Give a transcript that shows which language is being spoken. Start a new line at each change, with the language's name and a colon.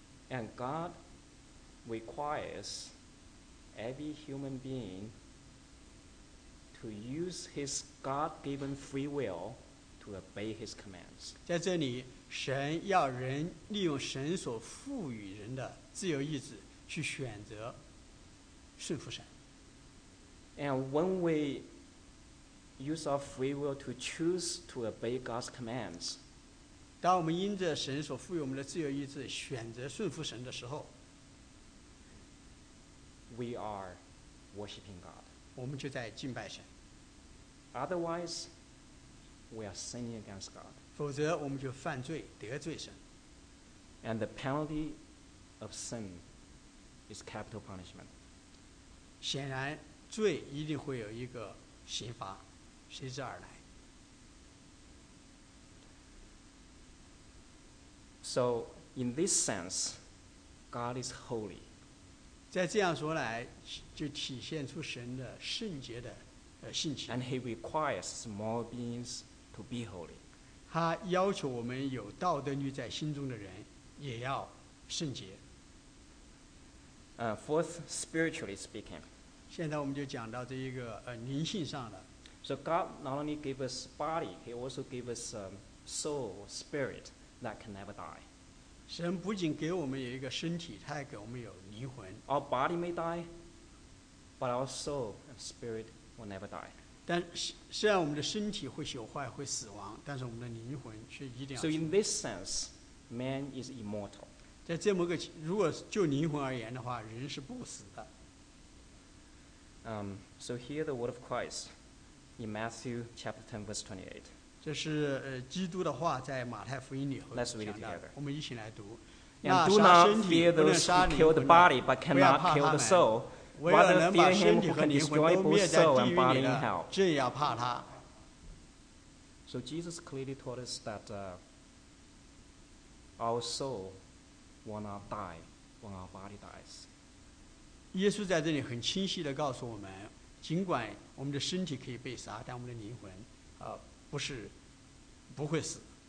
English: And God requires. Every human being to use his God-given free will to obey his commands.
Chinese: 在这里，神要人利用神所赋予人的自由意志去选择顺服神。
English: And when we use our free will to choose to obey God's commands,
Chinese: 当我们因着神所赋予我们的自由意志选择顺服神的时候。
English: We are worshiping God.
Chinese: 我们就在敬拜神。
English: Otherwise, we are sinning against God.
Chinese: 否则我们就犯罪，得罪神。
English: And the penalty of sin is capital punishment.
Chinese: 显然，罪一定会有一个刑罚，随之而来。
English: So, in this sense, God is holy.
Chinese: 在这样说来，就体现出神的圣洁的性情。
English: And he requires moral beings to be holy.
Chinese: 他要求我们有道德律在心中的人也要圣洁。
English: Fourth, spiritually speaking.
Chinese: 现在我们就讲到这一个灵性上的。
English: So God not only gave us body, he also gave us soul, spirit that can never die.
Chinese: 神不仅给我们有一个身体，他还给我们有灵魂。
English: Our body may die, but our soul and spirit will never die.
Chinese: 但虽然我们的身体会朽坏、会死亡，但是我们的灵魂却一定要。
English: So in this sense, man is immortal.
Chinese: 在这么个，如果就灵魂而言的话，人是不死的。
English: So hear the word of Christ in Matthew chapter 10, verse 28.
Chinese: 这是基督的话，在马太福音里头讲的。我们一起来读。
English: And do not fear those who kill the body, but cannot kill the soul. Rather fear him who can destroy both soul and body in hell.
Chinese: 这要怕他。
English: So Jesus clearly taught us that our soul will not die when our body dies.
Chinese: 耶稣在这里很清晰地告诉我们，尽管我们的身体可以被杀，但我们的灵魂，不是，不会死。